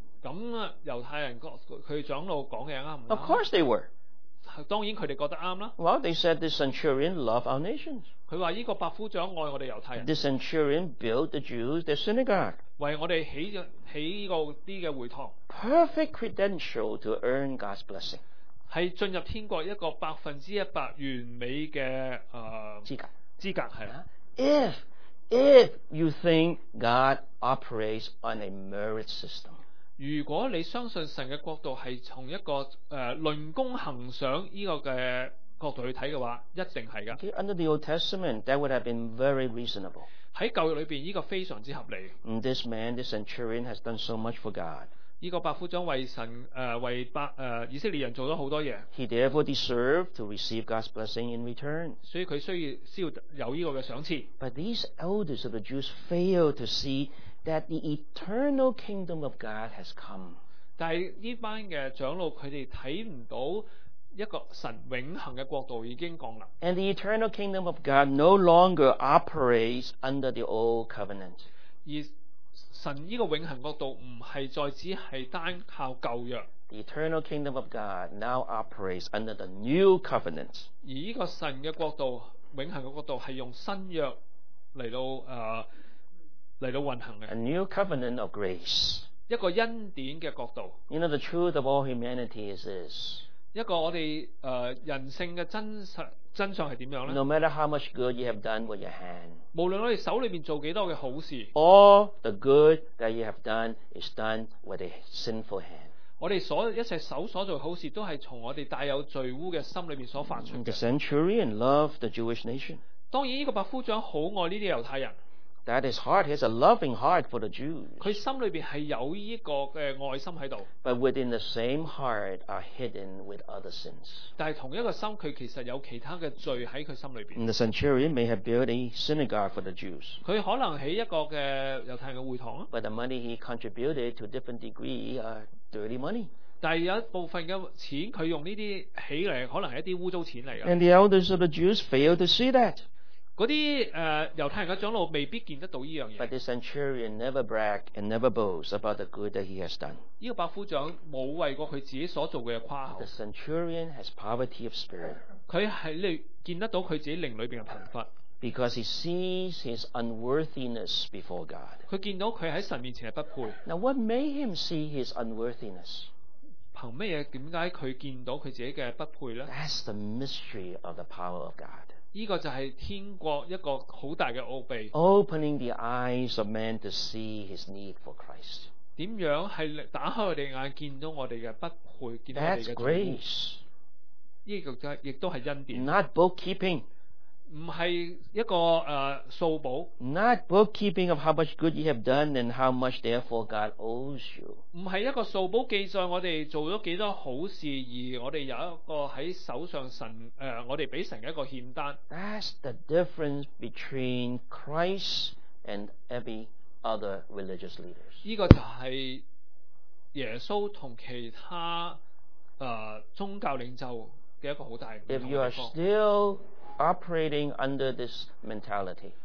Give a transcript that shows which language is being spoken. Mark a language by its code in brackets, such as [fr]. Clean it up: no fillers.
[zh] 那犹太人他们长老讲的是对 [en] 的。Of course they were. [zh] 当然他们觉得对的。 [en] Well, they said the centurion loved our nation. [zh] 他说这个百夫长爱我们犹太人。 [en] The centurion built the Jews their synagogue. [zh] 为我们 起这些的会堂。 [en] Perfect credential to earn God's blessing. [zh] 是进入天国一个百分之一百完美的资格。资格是啊。 [en] If you think God operates on a merit system, [zh] 如果你相信神的国度是从一个论功行赏这个角度去看的话，一定是的。 [en] Okay, under the Old Testament, that would have been very reasonable. [zh] 在旧约里面，这个非常之合理。 [en] And this man, this centurion, has done so much for God. [zh] 这个百夫长为神为以色列人做了很多事。 [en] He therefore deserved to receive God's blessing in return. [zh] 所以他需要有这个赏赐。 [en] But these elders of the Jews failed to see that the eternal kingdom of God has come. [zh] 但是这班的长老他们看不到一个神永恒的国度已经降临。 [en] And the eternal kingdom of God no longer operates under the old covenant. [zh] 神这个永恒国度不是再只是单靠旧约。 [en] The eternal kingdom of God now operates under the new covenant. [zh] 而这个神的国度，永恒的国度是用新约来到运行的。 [en] A new covenant of grace. [zh] 一个恩典的国度。 [en] You know, the truth of all humanity is this. [zh] 一个我们人性的真相是怎样呢？ [en] No matter how much good you have done with your hand, [zh] 无论我们手里面做多少的好事， [en] all the good that you have done is done with a sinful hand. [zh] 我们一切手所做的好事都是从我们带有罪污的心里面所发出的。 [en] The centurion loved the Jewish nation. [zh] 当然这个百夫长很爱这些犹太人。 [en] That his heart has a loving heart for the Jews. [zh] 他心里面是有这个爱心在这里。 [en] But within the same heart are hidden with other sins. [zh] 但是同一个心他其实有其他的罪在他心里面。 [en] And the centurion may have built a synagogue for the Jews. [zh] 他可能起一个犹太人的会堂。 [en] But the money he contributed to different degree are dirty money. [zh] 但有一部分的钱他用这些起来可能是一些污糟钱来的。 [en] And the elders of the Jews failed to see that. [zh] 那些犹太人的长老未必见得到这件事。 [en] But the centurion never brag and never boast about the good that he has done. [zh] 这个百夫长没有为过他自己所做的夸口。 [en] The centurion has poverty of spirit. [zh] 他是见得到他自己灵里面的贫乏。 [en] Because he sees his unworthiness before God. [zh] 他见到他在神面前是不配。 [en] Now what made him see his unworthiness? [zh] 凭什么他见到他自己的不配呢? [en] That's the mystery of the power of God. [zh] 这个就是天国一个很大的奥秘。 [en] Opening the eyes of man to see his need for Christ. [zh] 怎样是打开我们眼见到我们的不配见到我们的罪。 [en] That's grace. [zh] 这个也是恩典。 [en] Not bookkeeping. [zh] 不是一个数簿。 [en] Not bookkeeping of how much good you have done and how much therefore God owes you. [zh] 不是一个数簿记载我们做了多少好事而我们有一个在手上神我们给神一个欠单。 [en] That's the difference between Christ and every other religious leader. [zh] 这个就是耶稣和其他宗教领袖的一个很大的不同的。 [en] If you are still operating under this mentality,